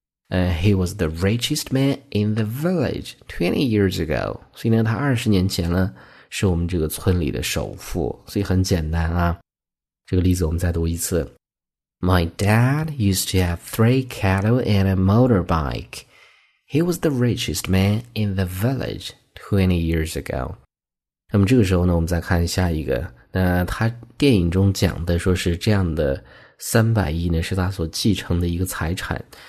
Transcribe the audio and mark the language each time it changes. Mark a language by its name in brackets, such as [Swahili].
[English] He was the richest man in the village 20 years ago. [Chinese] 所以呢，他20年前呢，是我们这个村里的首富。所以很简单啊。这个例子我们再读一次。 [English] My dad used to have 3 cattle and a motorbike. He was the richest man in the village 20 years ago. [Chinese] 那么这个时候呢，我们再看下一个。那他电影中讲的说是这样的，300亿呢，是他所继承的一个财产。